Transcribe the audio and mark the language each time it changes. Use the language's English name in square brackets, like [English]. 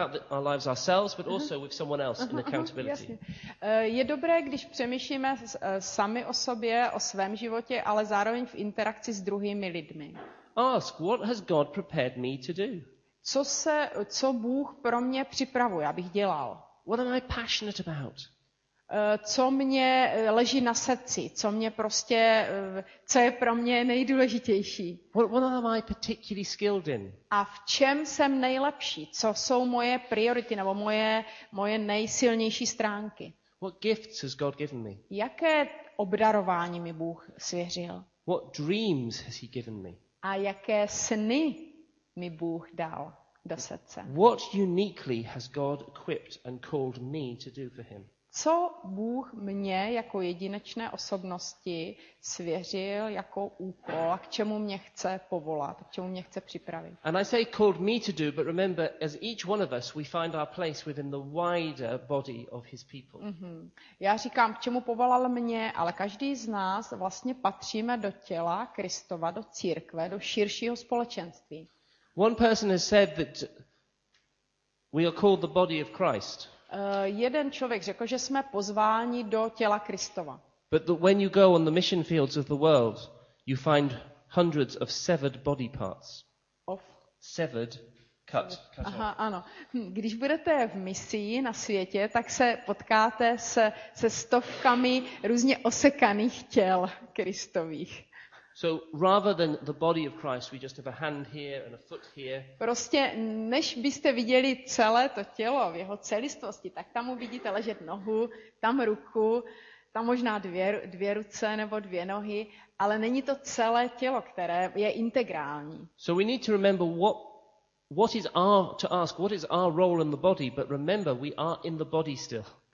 [English] Our lives ourselves, but also with someone else in accountability. [Czech] Je dobré, když přemýšlíme sami o sobě, o svém životě, ale zároveň v interakci s druhými lidmi. [English] Ask, what has God prepared me to do? [Czech] Co Bůh pro mě připravuje, abych dělal? [English] What am I passionate about? [Czech] co mě leží na srdci, co mě prostě, co je pro mě nejdůležitější. [English] What am I particularly skilled in? [Czech] A v čem jsem nejlepší, co jsou moje priority nebo moje nejsilnější stránky. [English] What gifts has God given me? [Czech] Jaké obdarování mi Bůh svěřil? [English] What dreams has he given me? [Czech] A jaké sny mi Bůh dal do srdce? [English] What uniquely has God equipped and called me to do for him? [Czech] Co Bůh mě jako jedinečné osobnosti svěřil jako úkol a k čemu mě chce povolat, k čemu mě chce připravit? [English] And I say called me to do, but remember, as each one of us, we find our place within the wider body of his people. Mm-hmm. [Czech] Já říkám, k čemu povolal mě, ale každý z nás vlastně patříme do těla Kristova, do církve, do širšího společenství. [English] One person has said that we are called the body of Christ. [Czech] Jeden člověk řekl, že jsme pozváni do těla Kristova. [English] But when you go on the mission fields of the world, you find hundreds of severed body parts. Of. Severed, cut. [Czech] Aha, ano. Když budete v misii na světě, tak se potkáte se stovkami různě osekaných těl Kristových. [English] So rather than the body of Christ, we just have a hand here and a foot here. [Czech] Prostě než byste viděli celé to tělo v jeho celistvosti, tak tam uvidíte ležet nohu, tam ruku, tam možná dvě ruce nebo dvě nohy, ale není to celé tělo, které je integrální. [English] So we need to remember what is our to ask what is our role in the body, but remember we are in the body still.